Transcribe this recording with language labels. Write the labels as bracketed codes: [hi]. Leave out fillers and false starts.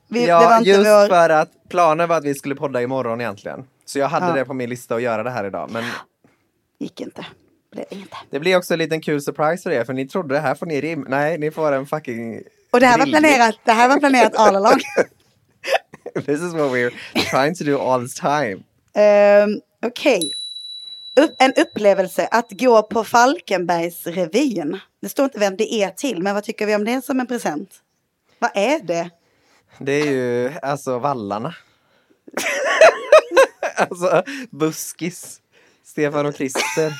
[sv] Ja, det var inte just vår... för att planen var att vi skulle podda imorgon egentligen. Så jag hade det på min lista att göra det här idag. Men gick inte. Blev inte. Det blir också en liten kul surprise för er. För ni trodde det här får ni rim. Nej, ni får en fucking... Och det här var planerat. Det här var planerat [en] all along. This is what we're trying to do all this time. Okej. Okay. [sv] En upplevelse att gå på Falkenbergsrevyn. Det står inte vem det är till, men vad tycker vi om det som en present? Vad är det? Det är ju, alltså, vallarna. Alltså, buskis. Stefan och Christer.